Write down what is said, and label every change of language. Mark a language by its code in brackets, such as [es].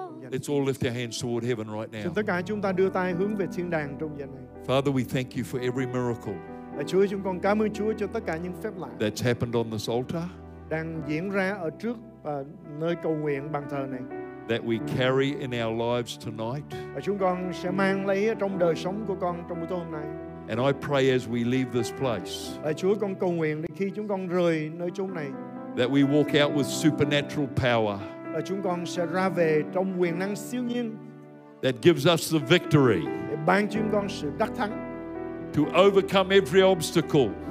[en] Let's all lift our hands toward heaven right now. [vi] Tất cả chúng ta đưa tay hướng về thiên đàng trong giờ này. [en] Father, we thank you for every miracle. [vi] Lạy Chúa, chúng con cảm ơn Chúa cho tất cả những phép lạ [en] that's happened on this altar. [vi] Đang diễn ra ở trước nơi cầu nguyện bàn thờ này. [en] That we carry in our lives tonight. [vi] Và chúng con sẽ mang lấy trong đời sống của con trong buổi tối hôm nay. [en] And I pray as we leave this place. [vi] Và Chúa, con cầu nguyện để khi chúng con rời nơi chốn này. [en] That we walk out with supernatural power. [vi] Và chúng con sẽ ra về trong quyền năng siêu nhiên. [en] That gives us the victory. [vi] Để ban chúng con sự đắc thắng. [en] To overcome every obstacle.